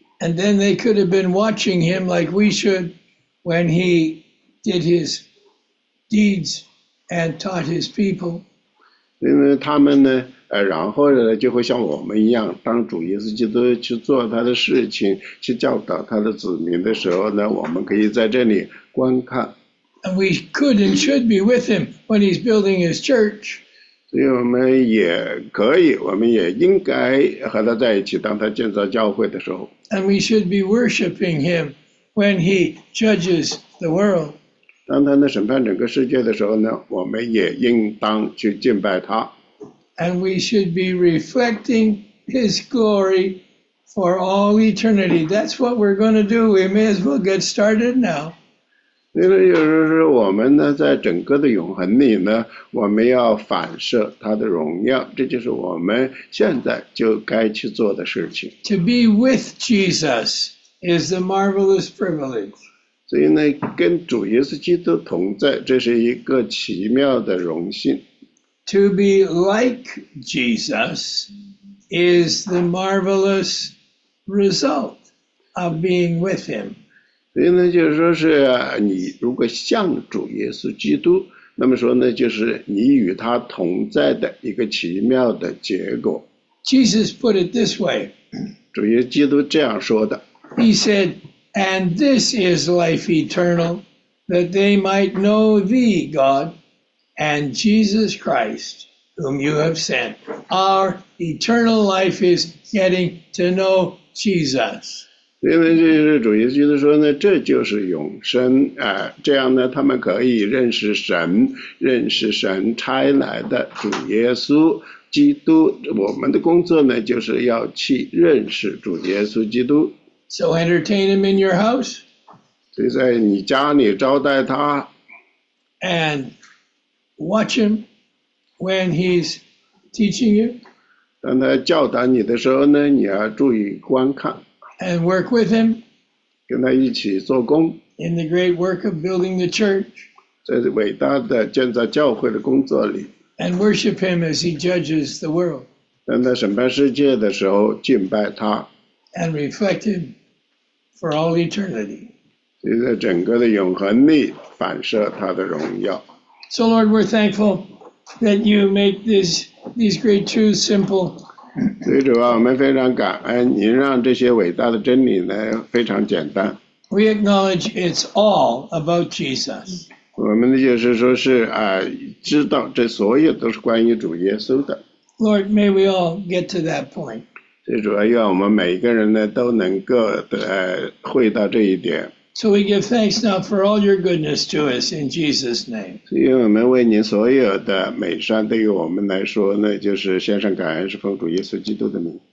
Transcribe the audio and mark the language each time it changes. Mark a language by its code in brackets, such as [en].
[en] And then they could have been watching him like we should when he did his deeds and taught his people. [zh] 因为他们呢，然后呢就会像我们一样，当主耶稣基督去做他的事情，去教导他的子民的时候呢，我们可以在这里。观看 [en] and we could and should be with him when he's building his church. [zh] 所以我们也可以，我们也应该和他在一起，当他建造教会的时候。 [en] And we should be worshiping him when he judges the world. [zh] 当他审判整个世界的时候呢，我们也应当去敬拜他。 [en] And we should be reflecting his glory for all eternity. That's what we're going to do. We may as well get started now. [zh] 所以就是说我们呢在整个的永恒里呢我们要反射他的荣耀这就是我们现在就该去做的事情。 [en] To be with Jesus is the marvelous privilege. [zh] 所以呢跟主耶稣基督同在这是一个奇妙的荣幸。 [en] To be like Jesus is the marvelous result of being with him. [zh] 所以呢，就是说是你如果像主耶稣基督，那么说呢，就是你与他同在的一个奇妙的结果。 [en] Jesus put it this way. [zh] 主耶稣基督这样说的。 [en] He said, "And this is life eternal, that they might know thee, God, and Jesus Christ, whom you have sent." Our eternal life is getting to know Jesus. [zh] 所以呢，就是主耶稣基督说呢，这就是永生啊、这样呢，他们可以认识神，认识神差来的主耶稣基督。我们的工作呢，就是要去认识主耶稣基督。 [en] So entertain him in your house. [zh] 所以在你家里招待他。 [en] And watch him when he's teaching you. [zh] 当他教导你的时候呢，你要注意观看。 [en] And work with him. [zh] 跟他一起做工。 [en] In the great work of building the church. [zh] 在伟大的建造教会的工作里。 [en] And worship him as he judges the world. [zh] 当他审判世界的时候，敬拜他。 [en] And reflect him for all eternity. [zh] 就在整个的永恒里反射他的荣耀。 [en] So Lord, we're thankful that you make these great truths simple. [zh] 所以主啊，我们非常感恩您让这些伟大的真理呢非常简单。 [en] We acknowledge it's all about Jesus. [zh] 我们的就是说是啊，知道这所有都是关于主耶稣的。 [en] Lord, may we all get to that point. [zh] 所以主啊，愿我们每一个人呢都能够会到这一点。 [en] So we give thanks now for all your goodness to us in Jesus' name. [zh] 所以我们为您所有的美善对于我们来说呢，就是献上感恩，是奉主耶稣基督的名。